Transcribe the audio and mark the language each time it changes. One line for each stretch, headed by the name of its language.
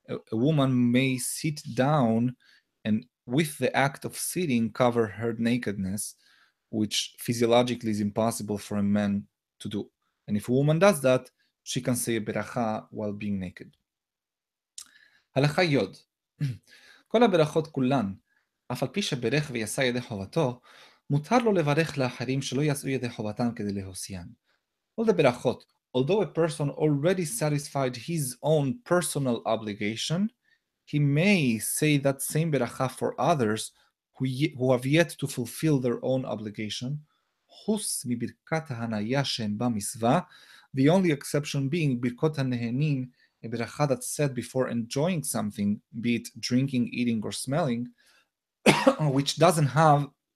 English: A woman may sit down and with the act of sitting cover her nakedness, which physiologically is impossible for a man to do. And if a woman does that, she can say a beracha while being naked. Halacha yod.
Hebrew: כל הברכות כולן, אף על פי שברך ויעשה ידי חובתו, מותר לו לברך לאחרים שלא יעשו ידי חובתם כדי להוסיין.
English: All the ברכות, although a person already satisfied his own personal obligation, he may say that same ברכה for others who have yet to fulfill their own obligation,
Hebrew: חוס מברכת ההנאיה שהם בה מסווה,
English: the only exception being ברכות הנהנים, a beracha that's said before enjoying something, be it drinking, eating, or smelling, which doesn't have